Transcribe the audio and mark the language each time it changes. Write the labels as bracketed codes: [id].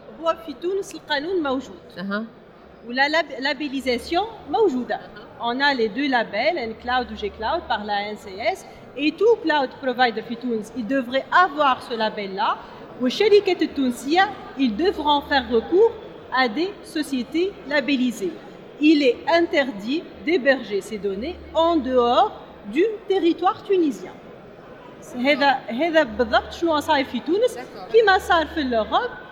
[ar] هو في تونس القانون موجود ولا لابيليزاسيون موجودة. [fr] On a les deux labels, un cloud ou G-Cloud par la ANCS, et tout cloud provider [ar] في تونس [fr] il devrait avoir ce label là. [ar] والشركة التونسية [fr] ils devront faire recours à des sociétés labellisées. Il est interdit d'héberger ces données en dehors du territoire tunisien. [ar] هذا بالضبط شنو صاير في تونس كيما صار في الاوروب